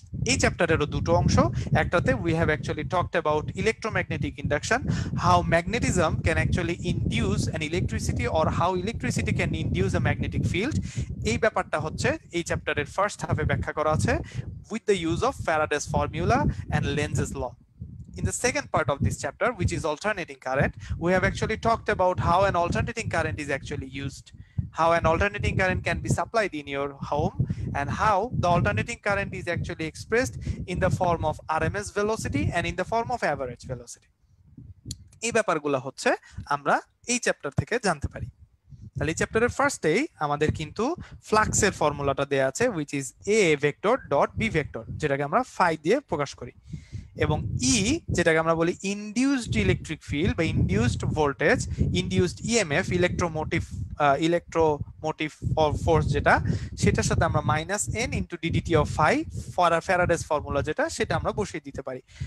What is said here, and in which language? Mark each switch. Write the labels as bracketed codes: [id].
[bn] এই চ্যাপ্টারেরও দুটো অংশ, একটাতে [en] we have actually talked about electromagnetic induction, how magnetism can actually induce an electricity or how electricity can induce a magnetic field, [bn] এই ব্যাপারটা হচ্ছে এই চ্যাপ্টারের ফার্স্ট হাফে ব্যাখ্যা করা আছে [en] With the use of Faraday's formula and Lenz's law. In the second part of this chapter, which is alternating current, we have actually talked about how an alternating current is actually used, how an alternating current can be supplied in your home, and how the alternating current is actually expressed in the form of RMS velocity and in the form of average velocity. [bn] এই ব্যাপারগুলো হচ্ছে আমরা এই chapter থেকে জানতে পারি। তাহলে এই চ্যাপ্টারের ফার্স্টেই আমাদের কিন্তু ফ্লাক্সের ফর্মুলাটা দেয়া আছে, [en] which is a vector dot B vector, [bn] যেটাকে আমরা ফাই দিয়ে প্রকাশ করি, এবং ই যেটাকে আমরা বলি ইনডিউসড ইলেকট্রিক ফিল্ড বা induced voltage, induced EMF electromotive force যেটা, সেটার সাথে আমরা minus N into DDT of phi Faraday's formula যেটা সেটা আমরা বসিয়ে দিতে পারি।